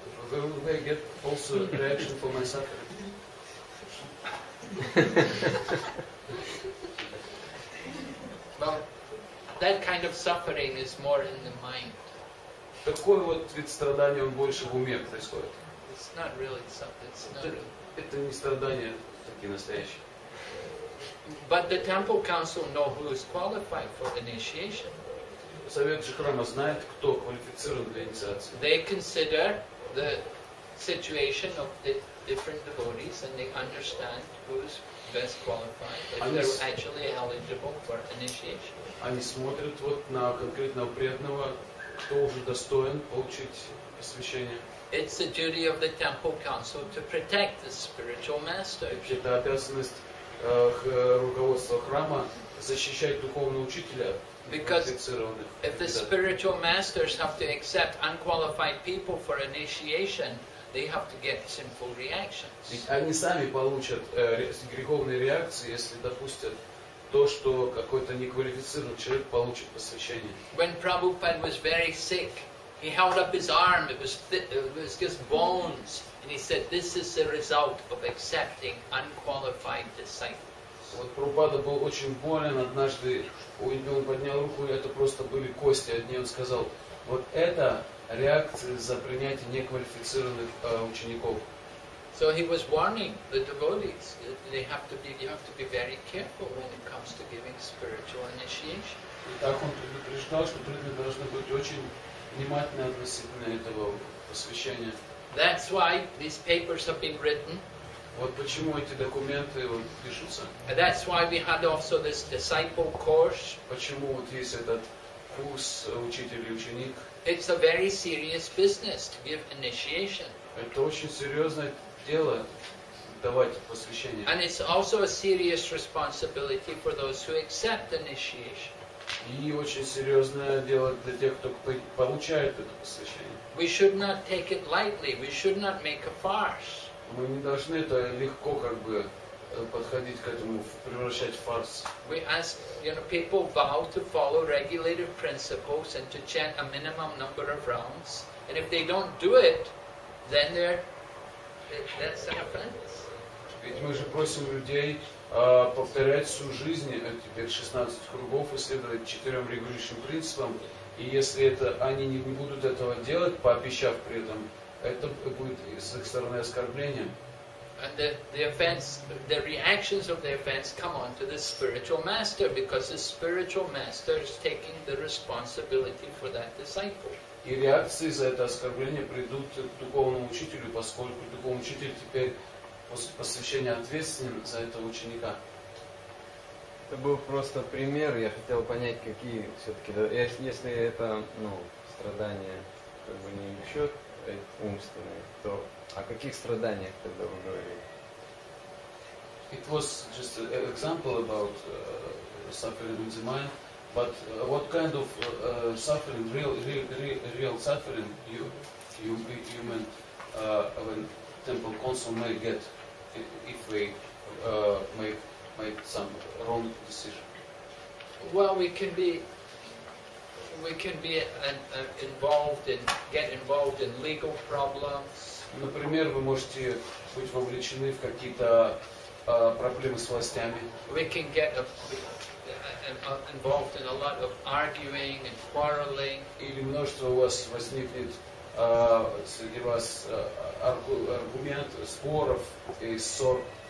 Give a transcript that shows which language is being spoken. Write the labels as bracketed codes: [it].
[en] Will they get also a reaction for my suffering? Well, that kind of suffering is more in the mind. [ru] Такой вот вид страдания, он больше в уме происходит. [en] It's not really suffering. It's not really. [ru] Это не страдания такие настоящие. [en] But the temple council know who is qualified for initiation. [ru] Совет же храма знает, кто квалифицирован для инициации. [en] They consider the situation of the different devotees and they understand who is best qualified, if they're actually eligible for initiation. [ru] Они смотрят вот на конкретного преданного, кто уже достоин получить посвящение. [en] It's the duty of the temple council to protect the spiritual master. [ru] Это обязанность руководства храма защищать духовного учителя. [en] Because if the spiritual masters have to accept unqualified people for initiation, they have to get sinful reactions. [ru] Они сами получат греховные реакции, если допустят то, что какой-то неквалифицированный человек получит посвящение. [en] When Prabhupada was very sick, he held up his arm, it was just bones, and he said, this is the result of accepting unqualified disciples. [ru] Вот Прабхупада был очень болен, однажды он поднял руку, и это просто были кости одни, он сказал, вот это реакция за принятие неквалифицированных учеников. [en] So he was warning the devotees, you have to be very careful when it comes to giving spiritual initiation. [ru] И так он предупреждал, что преданные должны быть очень внимательно относительно этого посвящения. [en] That's why these papers have been written. [ru] Вот почему эти документы вот пишутся. [en] And that's why we had also this disciple course. [ru] Почему вот есть этот курс учитель и ученик. [en] It's a very serious business to give initiation. [ru] Это очень серьезное дело давать посвящение. [en] And it's also a serious responsibility for those who accept initiation. [ru] И очень серьезное дело для тех, кто получает это посвящение. [en] We should not take it lightly. We should not make a farce. [ru] Мы не должны это легко как бы подходить к этому, превращать в фарс. [en] We ask, you know, people vow to follow regulative principles and to chant a minimum number of rounds. And if they don't do it, then they're, that's an offense. [ru] Ведь мы же просим людей повторять всю жизнь эти 16 кругов и следовать четырем регулирующим принципам, и если это они не будут этого делать, пообещав при этом, это будет с их стороны оскорблением. [en] And the offense, the reactions of the offense come on to the spiritual master, because the spiritual master is taking the responsibility for that disciple. [ru] И реакции за это оскорбление придут к духовному учителю, поскольку духовный учитель теперь посвящение ответственным за этого ученика. Это был просто пример, я хотел понять, какие все-таки, если это, ну, страдания, как бы не еще умственные, то о каких страданиях тогда вы говорили? [en] It was just an example about suffering in the mind, but what kind of suffering, real suffering you meant when temple council may get? If we make some wrong decision. Well, we can get involved in legal problems. [ru] Например, вы можете быть вовлечены в какие-то проблемы с властями. [en] We can get a, a, involved in a lot of arguing and quarreling. [ru] Или множество у вас возникнет среди вас аргумент споров и ссор.